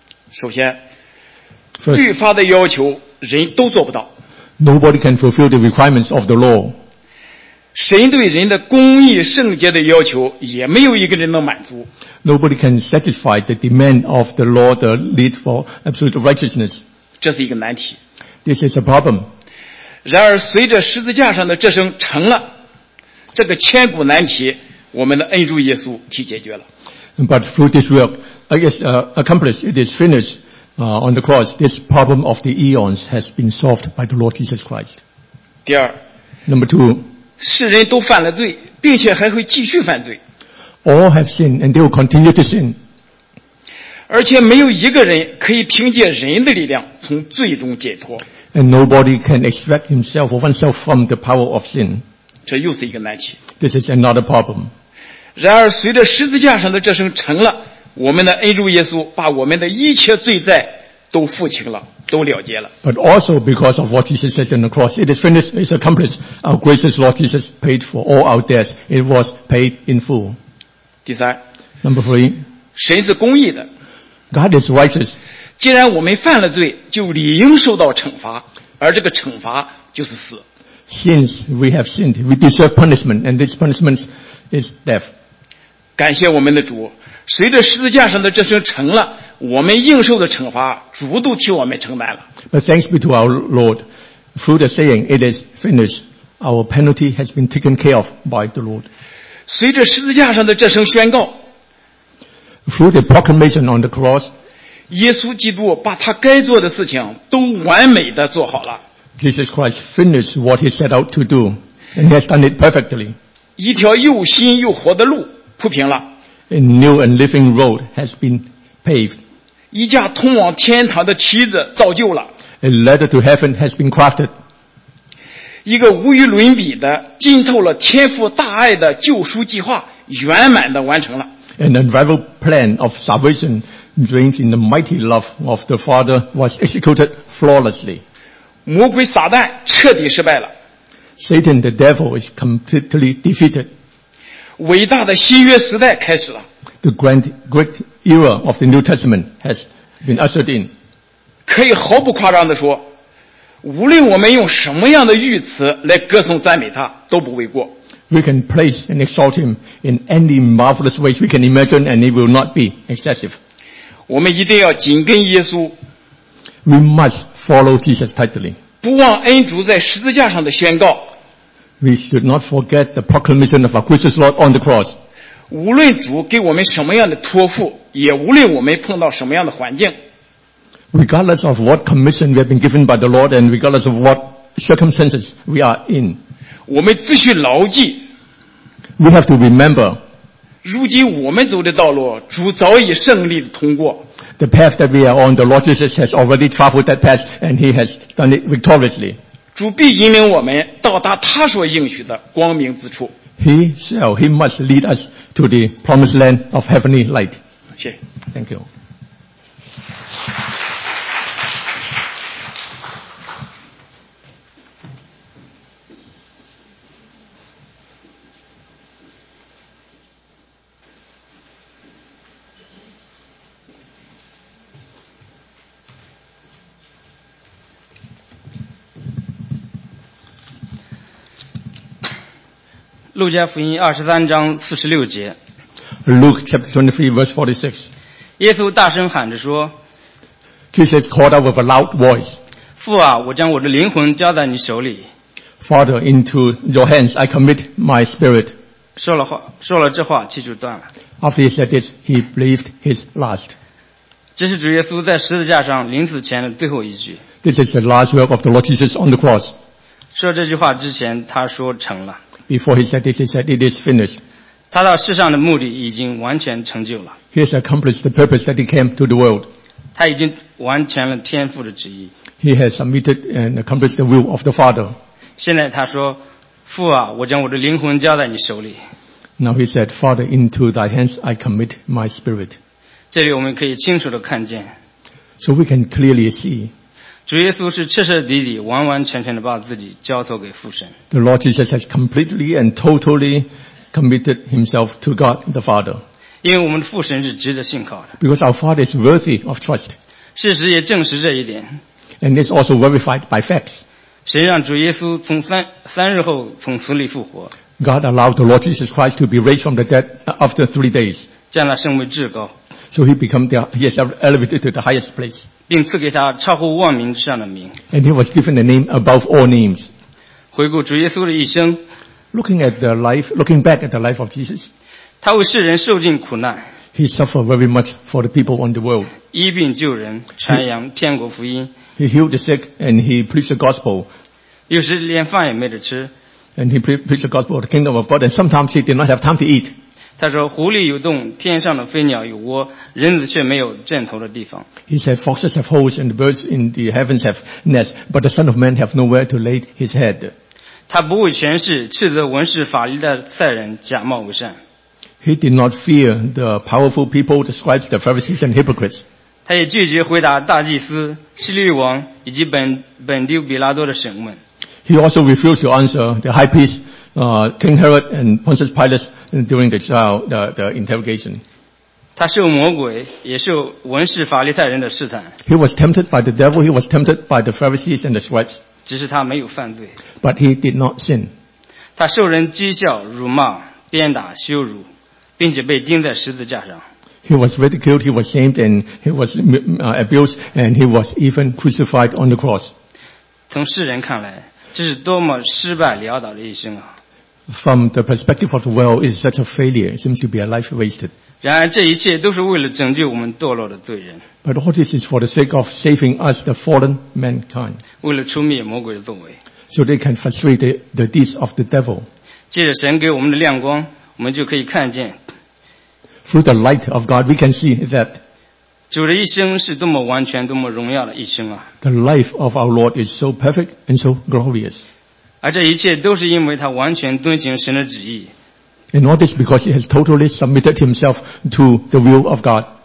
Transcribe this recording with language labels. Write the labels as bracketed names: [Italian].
[Chinese] 首先律法的要求人都做不到。 [English] Nobody can fulfill the requirements of the law. [Chinese] 神对人的公义圣洁的要求也没有一个人能满足。 [English] Nobody can satisfy the demand of the law, the need for absolute righteousness. [Chinese] 这是一个难题。 [English] This is a problem. [Chinese] 然而随着十字架上的这声成了，这个千古难题我们的恩主耶稣替解决了。 [English] But through this work, accomplished, it is finished, on the cross, this problem of the eons has been solved by the Lord Jesus Christ. [Chinese] 第二。 [English] Number two. [Chinese] 世人都犯了罪，并且还会继续犯罪。 [English] All have sinned and they will continue to sin. [Chinese] 而且没有一个人可以凭借人的力量从罪中解脱。 [English] And nobody can extract himself or oneself from the power of sin. [Chinese] 这又是一个难题。 [English] This is another problem. [Chinese] 然而随着十字架上的这声成了，我们的恩主耶稣把我们的一切罪债都付清了，都了结了。 [English] But also because of what Jesus said on the cross, it is finished, it is accomplished. Our gracious Lord Jesus paid for all our debts. It was paid in full. [Chinese] 第三。 [English] Number three. [Chinese] 神是公义的。 [English] God is righteous. [Chinese] 既然我们犯了罪，就理应受到惩罚，而这个惩罚就是死。 [English] Since we have sinned, we deserve punishment, and this punishment is death. [Chinese] 感谢我们的主，随着十字架上的这声成了，我们应受的惩罚主都替我们承担了。 [English] But thanks be to our Lord, through the saying, it is finished. Our penalty has been taken care of by the Lord. [Chinese] 随着十字架上的这声宣告， [English] through the proclamation on the cross, [Chinese] 耶稣基督把他该做的事情都完美的做好了。 [English] Jesus Christ finished what he set out to do, and he has done it perfectly. [Chinese] 一条又新又活的路铺平了。 [English] A new and living road has been paved. [Chinese] 一架通往天堂的梯子造就了。 [English] A ladder to heaven has been crafted. [Chinese] 一个无与伦比的浸透了天父大爱的救赎计划圆满地完成了。 [English] An unrivaled plan of salvation drained in the mighty love of the Father was executed flawlessly. [Chinese] 魔鬼撒旦彻底失败了。 [English] Satan the devil is completely defeated. [Chinese] 伟大的新约时代开始了。 [English] The great era of the New Testament has been ushered in. [Chinese] 可以毫不夸张地说，无论我们用什么样的语词来歌颂赞美他，都不为过。 [English] We can praise and exalt him in any marvelous ways we can imagine, and it will not be excessive. [Chinese] 我们一定要紧跟耶稣。 [English] We must follow Jesus tightly. [Chinese] 不忘恩主在十字架上的宣告。 [English] We should not forget the proclamation of our gracious Lord on the cross. [Chinese] 无论主给我们什么样的托付，也无论我们碰到什么样的环境， [English] regardless of what commission we have been given by the Lord and regardless of what circumstances we are in, [Chinese] 我们只需牢记， [English] we have to remember, [Chinese] 如今我们走的道路主早已胜利的通过， [English] the path that we are on, the Lord Jesus has already traveled that path and he has done it victoriously. [Chinese] 主必引领我们到达他所应许的光明之处。 [English] He must lead us to the promised land of heavenly light. Thank you. [Chinese] 路加福音23章46节。 [English] Luke chapter 23 verse 46. [Chinese] 耶稣大声喊着说， [English] Jesus called out with a loud voice. [Chinese] 父啊，我将我的灵魂交在你手里。 [English] Father, into your hands I commit my spirit. [Chinese] 说了这话，气就断了。 [English] After he said this, he breathed his last. [Chinese] 这是主耶稣在十字架上临死前的最后一句。 [English] This is the last word of the Lord Jesus on the cross. [Chinese] 说这句话之前，他说成了。 [English] Before he said this, he said it is finished. [Chinese] 他到世上的目的已经完全成就了。 [English] He has accomplished the purpose that he came to the world. [Chinese] 他已经完全了天父的旨意。 [English] He has submitted and accomplished the will of the Father. [Chinese] 现在他说，父啊，我将我的灵魂交在你手里。 [English] Now he said, Father, into thy hands I commit my spirit. [Chinese] 这里我们可以清楚地看见。 [English] So we can clearly see. [Chinese] 主耶稣是彻彻底底完完全全地把自己交托给父神。 [English] The Lord Jesus has completely and totally committed himself to God the Father. [Chinese] 因为我们的父神是值得信靠的。 [English] Because our Father is worthy of trust. [Chinese] 事实也证实这一点。 [English] And it's also verified by facts. [Chinese] 神让主耶稣从 三日后从死里复活。 [English] God allowed the Lord Jesus Christ to be raised from the dead after 3 days. [Chinese] 将他升为至高。 [English] So he became he has elevated to the highest place. [Chinese] 并赐给他超乎万名之上的名。 [English] And he was given a name above all names. [Chinese] 回顾主耶稣的一生。 [English] Looking back at the life of Jesus. [Chinese] 他为世人受尽苦难。 [English] He suffered very much for the people on the world. [Chinese] 医病救人，传扬天国福音。 [English] He healed the sick and he preached the gospel. [Chinese] 有时连饭也没得吃。 [English] And he preached the gospel of the kingdom of God, and sometimes he did not have time to eat. [Chinese] 他说狐狸有洞，天上的飞鸟有窝，人子却没有枕头的地方。 [English] He said, foxes have holes and the birds in the heavens have nests, but the son of man have nowhere to lay his head. [Chinese] 他不畏权势，斥责文士、法利的赛人假冒为善。 [English] He did not fear the powerful people, the scribes, the Pharisees and hypocrites. [Chinese] 他也拒绝回答大祭司、希律王以及本丢比拉多的审问。 [English] He also refused to answer the high priest, King Herod and Pontius Pilate during the trial, the interrogation. [Chinese] 他受魔鬼，也受文士、法利赛人的试探。 [English] He was tempted by the devil, he was tempted by the Pharisees and the scribes. [Chinese] 只是他没有犯罪。 [English] But he did not sin. [Chinese] 他受人讥笑、辱骂、鞭打、羞辱，并且被钉在十字架上。 [English] He was ridiculed, he was shamed, and he was abused, and he was even crucified on the cross. [Chinese] 从世人看来，这是多么失败潦倒的一生啊。 [English] From the perspective of the world, it's such a failure. It seems to be a life wasted. [Chinese] 然而这一切都是为了拯救我们堕落的罪人。 [English] But all this is for the sake of saving us, the fallen mankind. [Chinese] 为了除灭魔鬼的作为。 [English] So they can frustrate the deeds of the devil. [Chinese] 借着神给我们的亮光，我们就可以看见。 [English] Through the light of God, we can see that [Chinese] 主的一生是多么完全、多么荣耀的一生啊。 [English] The life of our Lord is so perfect and so glorious. [Chinese] 而这一切都是因为他完全遵行神的旨意。 [English] And all this because he has totally submitted himself to the will of God.